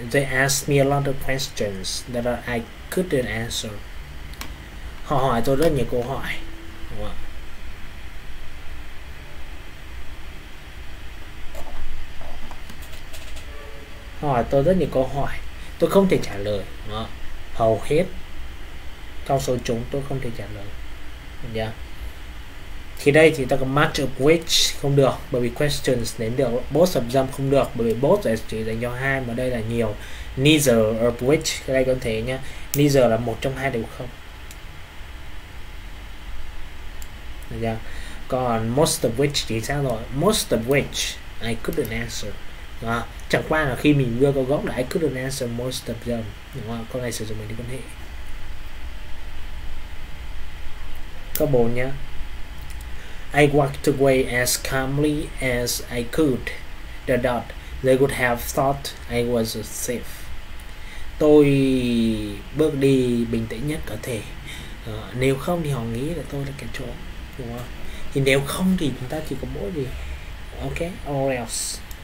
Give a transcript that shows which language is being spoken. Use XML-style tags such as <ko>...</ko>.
<en>They ask me a lot of questions that I couldn't answer.</en> <vi>Họ hỏi tôi rất nhiều câu hỏi. Đúng không? Hỏi tôi rất nhiều câu hỏi tôi không thể trả lời, đúng không? Hầu hết trong số chúng tôi không thể trả lời, được chưa? Thì đây thì ta có match of which không được, bởi vì questions đến được both of them không được, bởi vì both là chỉ dành cho hai, mà đây là nhiều. Neither of which, đây có thể nhá, neither là một trong hai đều không, được chưa? Còn most of which thì sao rồi,</vi> <en>most of which I couldn't answer.</en> <vi>À, chẳng qua là khi mình đưa câu gốc là</vi> <en>I couldn't answer most of them,</en> <vi>đúng không? Câu này sử dụng mình đi quan hệ. Câu 4 nhé.</vi> <en>I walked away as calmly as I could. The doubt they would have thought I was safe.</en> <vi>Tôi bước đi bình tĩnh nhất có thể. Nếu không thì họ nghĩ là tôi là kẻ trộm, đúng không? Thì nếu không thì chúng ta chỉ có mỗi gì?</vi> <en>Ok, or else.</en>